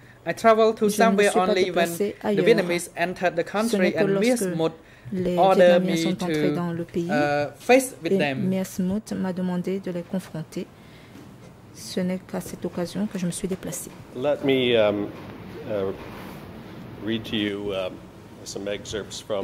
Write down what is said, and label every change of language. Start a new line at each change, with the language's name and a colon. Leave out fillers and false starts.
English: I traveled to Zambia only when the Vietnamese entered the country and Mia Smoot ordered me to face with them.
French: Mia Smoot m'a demandé de les confronter. Ce n'est qu'à cette occasion que je me suis déplacée.
English: Let me read to you some excerpts from